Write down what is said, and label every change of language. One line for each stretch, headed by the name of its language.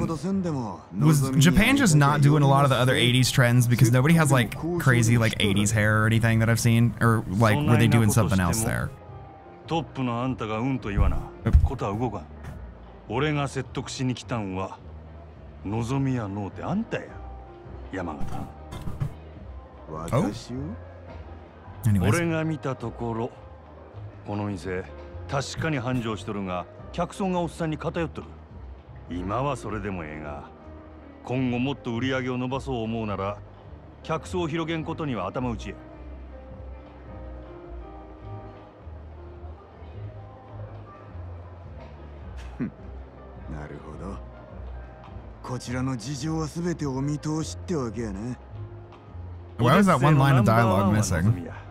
English: Was Japan just not doing a lot of the other 80s trends because nobody has like crazy like 80s hair or anything that I've seen? Or like were they doing something else there?
Japanese: Top のあんたがうんと言わな。ことは動かん。俺が説得しに来たんは、のぞみやのうてあんたや。山形。
English: Oh? Anyways.
Japanese: 俺が見たところこの店確かに繁盛しとるが客層がおっさんに偏っとる。今はそれでもええが今後もっと売り上げを伸ばそう思うなら客層を広げんことには頭打ちや。なるほど、こちらの事情は全てお見通しってわけやな。
English: Why was that one line of dialogue missing?